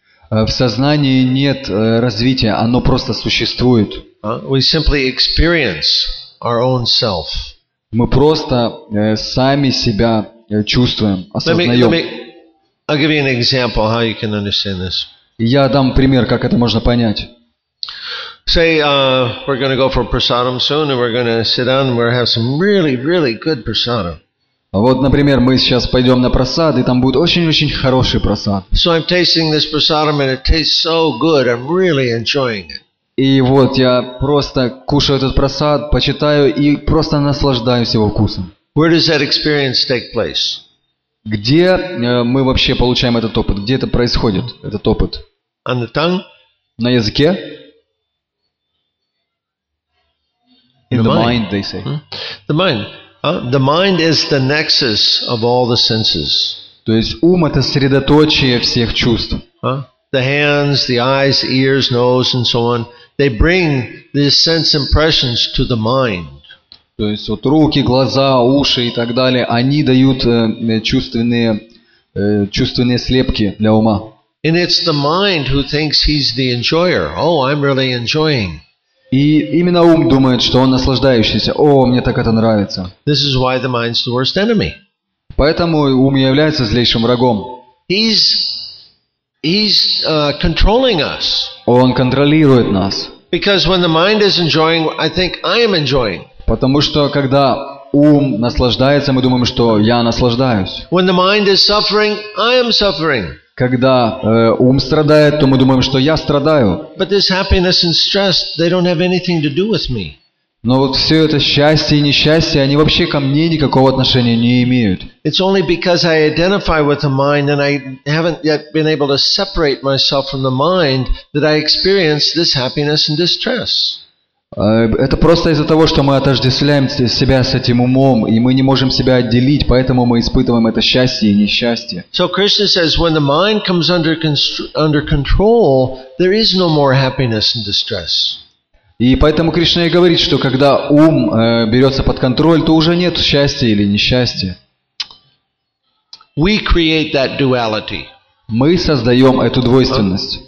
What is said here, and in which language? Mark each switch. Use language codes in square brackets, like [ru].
[ru] В сознании нет развития, оно просто существует. [en] We simply experience our own self. [ru] Мы просто сами себя чувствуем, осознаем. [en] I'll give you an example how you can understand this. [ru] Я дам пример, как это можно понять. [en] Say, we're going to go for prasadam soon, and we're going to sit down, and we're going to have some really, really good prasadam. [ru] Вот, например, мы сейчас пойдем на просад, и там будет очень-очень хороший просад. [en] So I'm tasting this prasadam, and it tastes so good. I'm really enjoying it. [ru] И вот я просто кушаю этот просад, почитаю и просто наслаждаюсь его вкусом. [en] Where does that experience take place? [ru] Где мы вообще получаем этот опыт? Где это происходит, этот опыт? [en] On the tongue? [ru] На языке? [en] In the mind, they say. The mind. The mind is the nexus of all the senses. [ru] То есть ум — это средоточие всех чувств. [en] The hands, the eyes, ears, nose, and so on. They bring these sense impressions to the mind. [ru] То есть вот руки, глаза, уши и так далее, они дают чувственные слепки для ума. [en] And it's the mind who thinks he's the enjoyer. Oh, I'm really enjoying. [ru] И именно ум думает, что он наслаждающийся. О, мне так это нравится. [en] This is why the mind's the worst enemy. [ru] Поэтому ум является злейшим врагом. [en] He's controlling us. [ru] Он контролирует нас. [en] Because when the mind is enjoying, I think I am enjoying. [ru] Потому что когда ум наслаждается, мы думаем, что я наслаждаюсь. [en] When the mind is suffering, I am suffering. [ru] Когда ум страдает, то мы думаем, что я страдаю. [en] But this happiness and stress, they don't have anything to do with me. [ru] Но вот все это счастье и несчастье, они вообще ко мне никакого отношения не имеют. [en] It's only because I identify with the mind and I haven't yet been able to separate myself from the mind that I experience this happiness and distress. [ru] Это просто из-за того, что мы отождествляем себя с этим умом, и мы не можем себя отделить, поэтому мы испытываем это счастье и несчастье. [en] So Krishna says, when the mind comes under control, there is no more happiness and distress. [ru] И поэтому Кришна и говорит, что когда ум берется под контроль, то уже нет счастья или несчастья. [en] We create that duality. [ru] Мы создаем эту двойственность.